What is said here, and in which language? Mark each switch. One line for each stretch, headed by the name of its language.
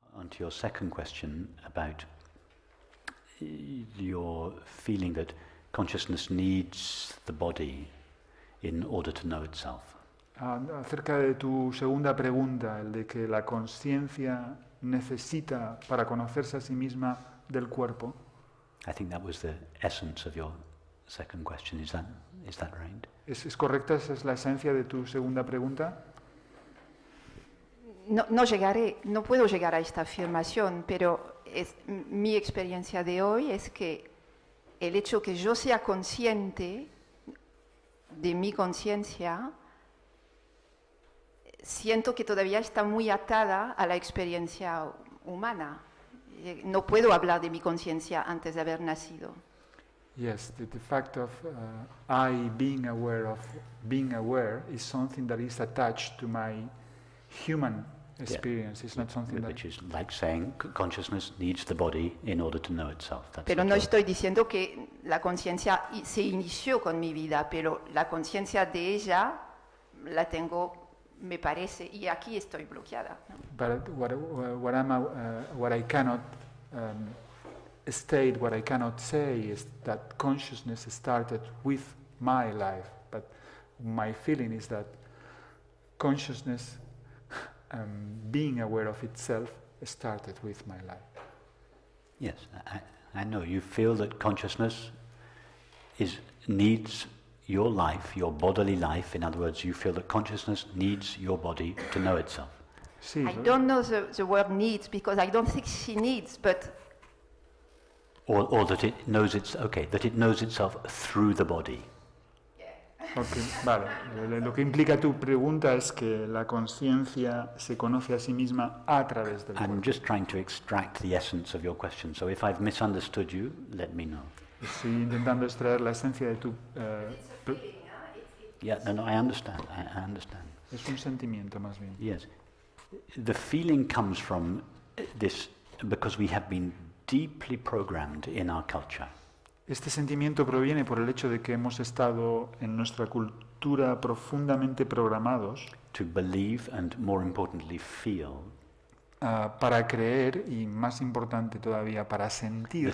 English: to your second question about your feeling that consciousness needs the body in order to know itself.
Spanish: Acerca de tu segunda pregunta, el de que la conciencia necesita para conocerse a sí misma del cuerpo.
English: I think that was the essence of your second question. Is that right?
Spanish: ¿Es correcta? ¿Esa es la esencia de tu segunda pregunta? No puedo llegar a esta afirmación, pero es mi experiencia de hoy es que el hecho que yo sea consciente de mi conciencia, siento que todavía está muy atada a la experiencia humana. No puedo hablar de mi conciencia antes de haber nacido.
English: Yes, the fact of I being aware of being aware is something that is attached to my human experience. Yeah. It's not something which is like saying consciousness needs the body in order to know itself. That's
Spanish: pero no
English: joke.
Spanish: Estoy diciendo que la conciencia se inició con mi vida, pero la conciencia de ella la tengo, me parece, y aquí estoy bloqueada.
English: But what I cannot say is that consciousness started with my life, but my feeling is that consciousness, being aware of itself, started with my life. Yes, I know. You feel that consciousness needs your life, your bodily life. In other words, you feel that consciousness needs your body to know itself. Sí, I don't know the word needs, because I don't think she needs, but... Or that it knows that it knows itself through the body.
Spanish: Okay, vale. Lo que implica tu pregunta es que la conciencia se conoce a sí misma a través del cuerpo.
English: I'm just trying to extract the essence of your question, so if I've misunderstood you, let me know.
Spanish: Estoy intentando extraer la esencia de tu...
English: I understand.
Spanish: Es un sentimiento, más bien.
English: Yes. The feeling comes from this, because we have been deeply programmed in our culture.
Spanish: Este sentimiento proviene por el hecho de que hemos estado en nuestra cultura profundamente programados
English: to believe and more importantly feel
Spanish: para creer y más importante todavía para sentir